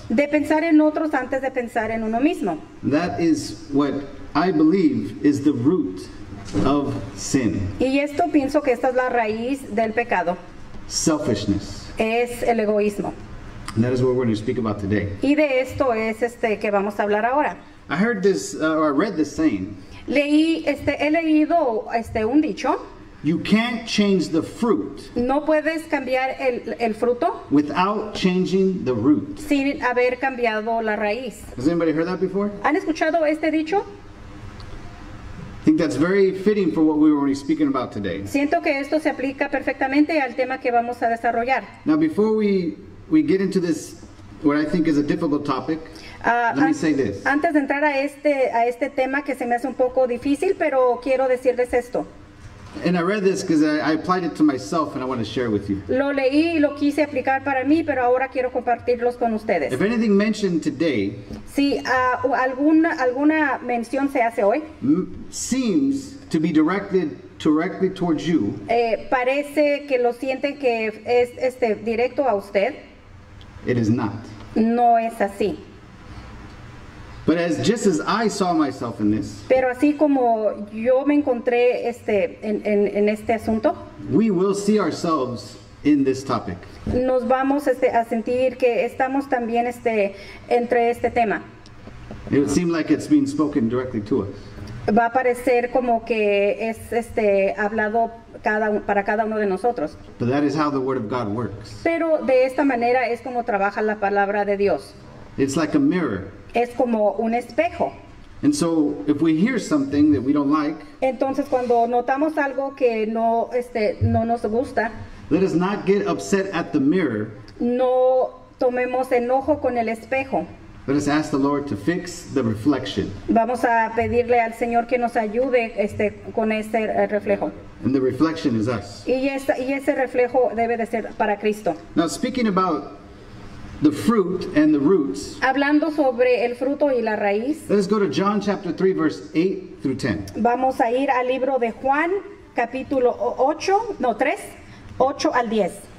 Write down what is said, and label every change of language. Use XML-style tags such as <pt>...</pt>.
<es>De pensar en otros antes de pensar en uno mismo.</es> <en>That is what I believe is the root of sin.</en> <es>Y esto pienso que esta es la raíz del pecado.</es> <en>Selfishness.</en> <es>Es el egoísmo.</es> <en>And that is what we're going to speak about today.</en> <es>Y de esto es que vamos a hablar ahora.</es> <en>I heard this, or I read this saying.</en> <es>Leí he leído un dicho.</es> <en>You can't change the fruit.</en> <es>No puedes cambiar el fruto.</es> <en>Without changing the root.</en> <es>Sin haber cambiado la raíz.</es> <en>Has anybody heard that before?</en> <es>¿Han escuchado este dicho?</es> <en>I think that's very fitting for what we were speaking about today.</en> <es>Siento que esto se aplica perfectamente al tema que vamos a desarrollar.</es> <en>Now before we get into this, what I think is a difficult topic, let me say this.</en> <es>Antes de entrar a este tema que se me hace un poco difícil, pero quiero decirles esto.</es> <en>And I read this because I applied it to myself and I want to share with you.</en> <es>Lo leí y lo quise aplicar para mí, pero ahora quiero compartirlos con ustedes.</es> <en>If anything mentioned today,</en> <es>si alguna mención se hace hoy,</es> <en>seems to be directly towards you.</en> <es>Parece que lo sienten que es directo a usted.</es> <en>It is not.</en> <es>No es así.</es> <en>But just as I saw myself in this,</en> <es>pero así como yo me encontré en este asunto,</es> <en>we will see ourselves in this topic.</en> <es>Nos vamos a sentir que estamos también entre este tema.</es> <en>It would seem like it's being spoken directly to us.</en> <es>Va a parecer como que es hablado para cada uno de nosotros.</es> <en>But that is how the Word of God works.</en> <es>Pero de esta manera es como trabaja la palabra de Dios.</es> <en>It's like a mirror.</en> <es>Es como un espejo.</es> <en>And so if we hear something that we don't like,</en> <es>entonces cuando notamos algo que no no nos gusta,</es> <en>let us not get upset at the mirror.</en> <es>No tomemos enojo con el espejo.</es> <en>Let us ask the Lord to fix the reflection.</en> <es>Vamos a pedirle al Señor que nos ayude con ese reflejo.</es> <en>And the reflection is us.</en> <es>Y ese reflejo debe de ser para Cristo.</es> <en>Now speaking about the fruit and the roots.</en> <es>Hablando sobre el fruto y la raíz.</es> <en>Let's go to John chapter 3 verse 8 through 10.</en> <es>Vamos a ir al libro de Juan capítulo 3, 8 al 10.</es>